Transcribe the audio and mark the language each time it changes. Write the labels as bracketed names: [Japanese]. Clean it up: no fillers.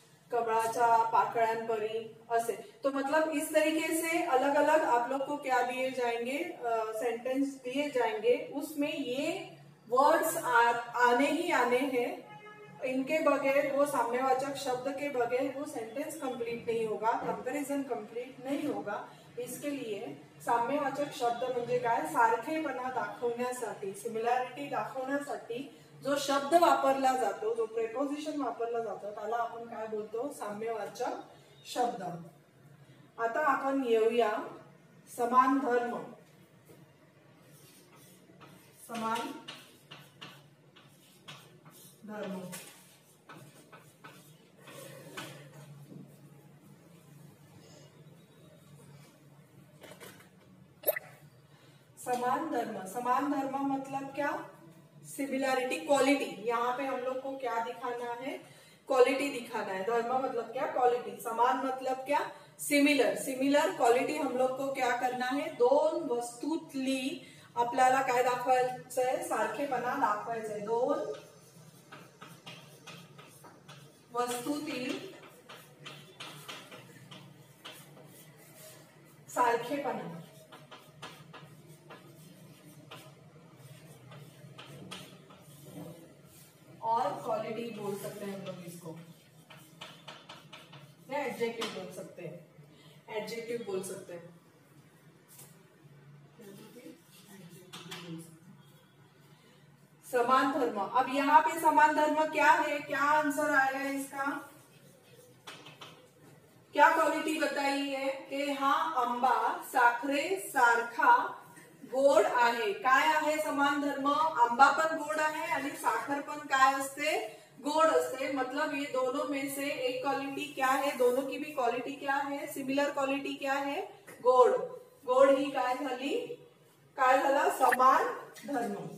[Marathi] कमळाच्या पाकळ्यां परी असे, [Hindi] तो मतलब इस तरीके से अलग अलग आप लोग को क्या दिए जाएंगे, सेंटेंस दिए जाएंगे, उसमें ये वर्ड्स आने ही आने हैं, इनके बगैर वो साम्यवाचक शब्द के बगैर वो सेंटेंस कंप्लीट नहीं होगा, कंपैरिजन कंप्लीट नहीं होगा। इसके लिए [Marathi] साम्यवाचक शब्द म्हणजे काय, सारखेपणा दाखवण्यासाठी, सिमिलॅरिटी दाखवण्यासाठी जो शब्द वापरला जातो, जो प्रेपोजिशन वापरला जातो, त्याला आपण काय बोलतो, साम्यवाचक शब्द। आता आपण येऊया समान धर्म, समान धर्म। [Hindi] समान धर्म, समान धर्म मतलब क्या, सिमिलैरिटी क्वालिटी। यहाँ पे हम लोग को क्या दिखाना है, क्वालिटी दिखाना है। धर्म मतलब क्या, क्वालिटी। समान मतलब क्या, सिमिलर, सिमिलर क्वालिटी। हम लोग को क्या करना है, [Marathi] दोन वस्तुतली आपल्याला काय दाखवायचं आहे, सारखेपणा दाखवायचं आहे, दोन वस्तुतील सारखेपणा। [Hindi] और क्वालिटी बोल सकते हैं हम लोग इसको, या एडजेक्टिव बोल सकते हैं, एडजेक्टिव बोल सकते हैं, समान धर्म। अब यहाँ पे समान धर्म क्या है, क्या आंसर आएगा इसका, क्या क्वालिटी बताई है कि हाँ [Marathi] अंबा साखरे सारखा गोड आहे, काय आहे समान धर्म, आंबा पण गोड आहे आणि साखर पण काय असते, गोड असते। [Hindi] मतलब ये दोनों में से एक क्वालिटी क्या है, दोनों की भी क्वालिटी क्या है, सिमिलर क्वालिटी क्या है, गोड। [Marathi] गोड ही काय झाली, काय झाला, समान धर्म।